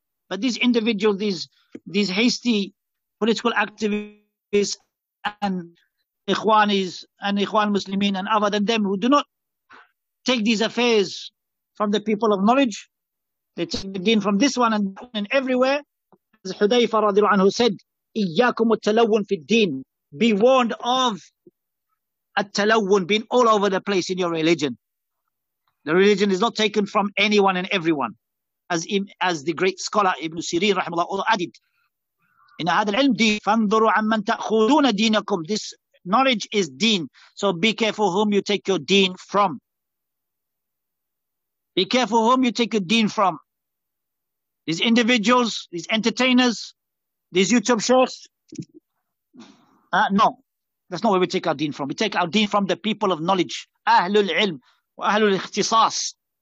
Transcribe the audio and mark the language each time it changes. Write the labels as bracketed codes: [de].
[en] But these individuals, these hasty political activists and ikhwanis and ikhwan muslimin and other than them, who do not take these affairs from the people of knowledge, they take the deen from this one and everywhere. As Hudayfa radiallahu anhu said, [ar] إياكم التلون في الدين. [en] Be warned of التلون, being all over the place in your religion. The religion is not taken from anyone and everyone. As the great scholar Ibn Sirin rahimahullah added, [ar] إن هذا العلم دين فانظروا عمن تأخذون دينكم. [en] This knowledge is deen. So be careful whom you take your deen from. Be careful whom you take your deen from. These individuals, these entertainers, these YouTube shows, no, that's not where we take our deen from. We take our deen from the people of knowledge, Ahlul Ilm, Ahlul Ikhtisas.